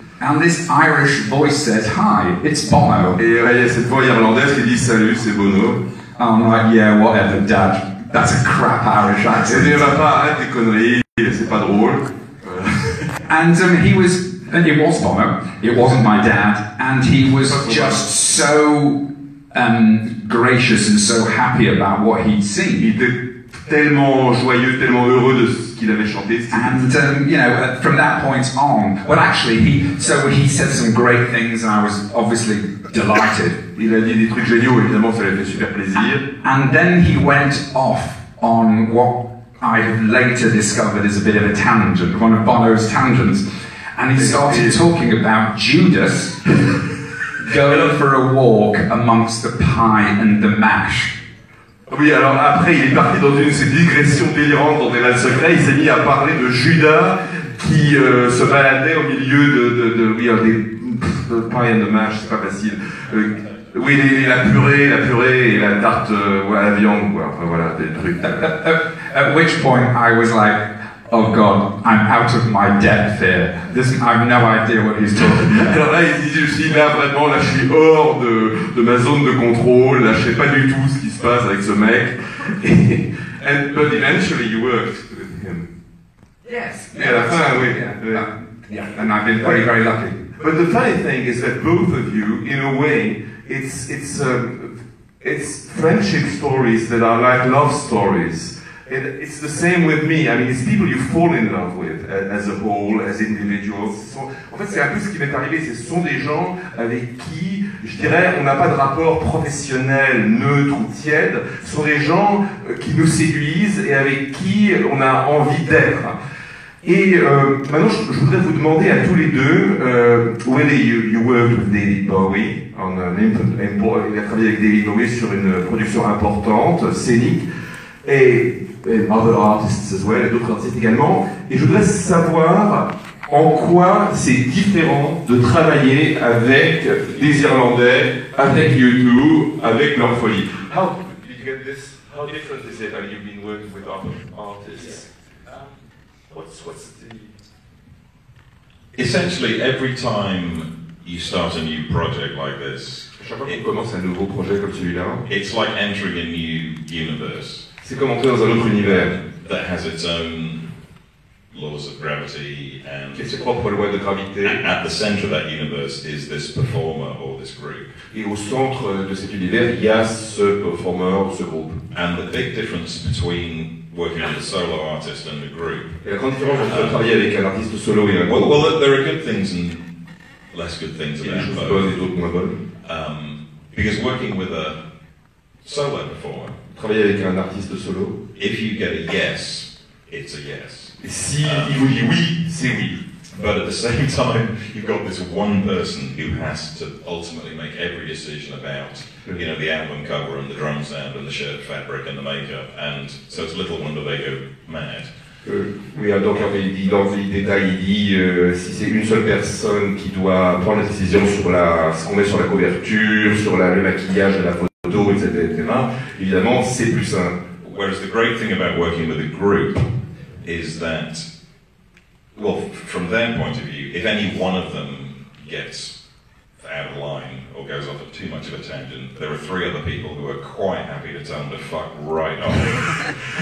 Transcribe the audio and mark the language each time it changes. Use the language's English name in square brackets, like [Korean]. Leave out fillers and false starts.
[English] And this Irish voice says, "Hi, it's Bono." [French] Et il y a cette voix irlandaise qui dit, "Salut, c'est Bono." [English] I'm like, "Yeah, whatever, Dad. That's a crap Irish accent." [French] C'est pas pareil, des conneries. C'est pas drôle. [English] And he was. And it was Bono, it wasn't my dad, and he was just so gracious and so happy about what he'd seen. [French] Il était tellement joyeux, tellement heureux de ce qu'il avait chanté. [English] And, you know, from that point on, well actually, he said some great things and I was obviously delighted. [French] Il a dit des trucs géniaux, évidemment ça lui a fait super plaisir. [English] And then he went off on what I later discovered is a bit of a tangent, one of Bono's tangents. And he started talking about Judas going for a walk amongst the pie and the mash. [French] Oui, alors après, il est parti dans une de ces digressions délirantes dans des mains secrets. Il s'est mis à parler de Judas qui se baladait au milieu de oui, des pain et de mâche, c'est pas facile. Oui, la purée et la tarte à la viande, quoi. Enfin, voilà, des trucs. [English] At which point I was like, oh God, I'm out of my depth here. This, I've no idea what he's talking about. [French] Alors là, il dit, je suis hors de ma zone de contrôle, là, je sais pas du tout ce qui se passe avec ce mec. [English] And, but eventually you worked with him. Yes. Yeah, that's fine, oui. Yeah. And I've been very, very lucky. But the funny thing is that both of you, in a way, it's friendship stories that are like love stories. It's the same with me. I mean, it's people you fall in love with as a whole, as individuals. [French] So, en fait, c'est un peu ce qui m'est arrivé. Ce sont des gens avec qui, je dirais, on n'a pas de rapport professionnel, neutre ou tiède. Ce sont des gens qui nous séduisent et avec qui on a envie d'être. Et maintenant, je voudrais vous demander à tous les deux, Willie, [English] you worked with David Bowie on an important, [French] il a travaillé avec David Bowie sur une production importante, scénique, et [English] other artists as well, [French] et d'autres artistes également. Et je voudrais savoir en quoi c'est différent de travailler avec les Irlandais, avec U2, avec leur folie. [English] How did you get this? How different is it that you've been working with other artists? Yeah. What's the... Essentially, every time you start a new project like this, it's like entering a new universe. [French] C'est comme entrer dans un autre univers. [English] That has its own laws of gravity, and [French] qui a ses propres lois de gravité. [English] At the center of that universe is this performer or this group. [French] Et au centre de cet univers, il y a ce performer ou ce groupe. [English] And the big difference between working with a solo artist and a group. [French] Et la grande différence entre travailler avec un artiste solo et un groupe. [English] Well, there are good things and less good things about both. Because working with a solo performer, [French] travailler avec un artiste solo, [English] if you get a yes, it's a yes. [French] Si il vous dit oui, c'est oui. [English] But at the same time, you've got this one person who has to ultimately make every decision about, you know, the album cover and the drum sound and the shirt fabric and the makeup, and so it's little wonder they go mad. [French] Oui, donc il dit dans les détails, il dit si c'est une seule personne qui doit prendre la décision sur la ce qu'on met sur la couverture, sur le maquillage, la photo, etc., etc. Évidemment, c'est plus simple. [English] Whereas the great thing about working with a group is that, well, from their point of view, if any one of them gets out of line or goes off at too much of a tangent, there are three other people who are quite happy to tell them to fuck right off.